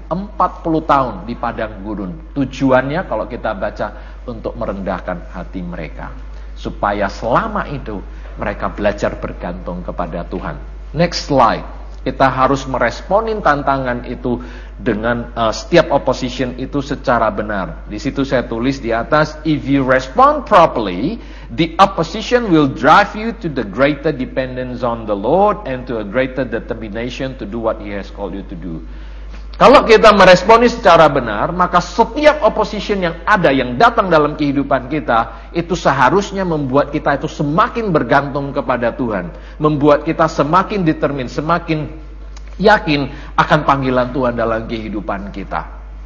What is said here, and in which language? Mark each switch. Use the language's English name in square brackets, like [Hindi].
[Indonesian] 40 tahun di padang gurun. Tujuannya kalau kita baca, untuk merendahkan hati mereka. Supaya selama itu mereka belajar bergantung kepada Tuhan. [English] Next slide. [Indonesian] Kita harus meresponin tantangan itu dengan setiap opposition itu secara benar. Di situ saya tulis di atas, [English] if you respond properly, the opposition will drive you to the greater dependence on the Lord and to a greater determination to do what he has called you to do. [Indonesian] Kalau kita meresponi secara benar, maka setiap opposition yang ada, yang datang dalam kehidupan kita, itu seharusnya membuat kita itu semakin bergantung kepada Tuhan. Membuat kita semakin determin, semakin yakin akan panggilan Tuhan dalam kehidupan kita.